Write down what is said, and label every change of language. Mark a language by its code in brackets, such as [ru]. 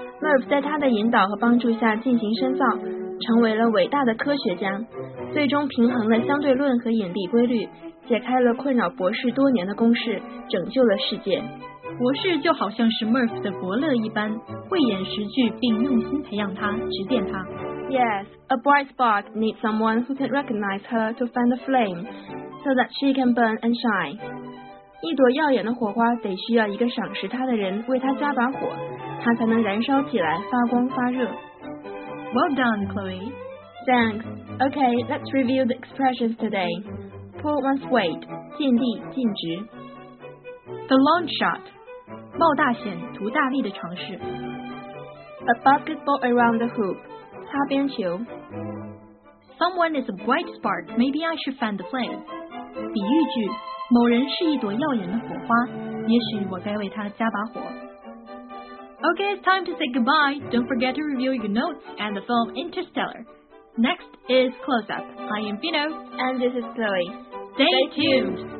[zh] Murph 在他的引导和帮助下进行深造，成为了伟大的科学家，最终平衡了相对论和引力规律，解开了困扰博士多年的公式，拯救了世界。博士就好像是 Murph 的伯乐一般，慧眼识趣，并用心培养他，指点他。 [en] Yes, a bright spark needs someone who can recognize her to fan the flame, so that she can burn and shine. [zh] 一朵耀眼的火花得需要一个赏识它的人为它加把火，它才能燃烧起来，发光发热。 [en] Well done, Chloe. Thanks. Okay, let's review the expressions today. Pull one's weight, [zh] 尽力尽职。 [en] The long shot, [zh] 冒大险图大利的尝试。 [en] A basketball around the hoop, [zh] 擦边球。 [en] Someone is a bright spark, maybe I should fan the flame. [zh] 比喻句，某人是一朵耀眼的火花，也许我该为他加把火。 [en] Okay, it's time to say goodbye. Don't forget to review your notes and the film Interstellar. Next is Close Up. I am Fino. And this is Chloe. Stay tuned.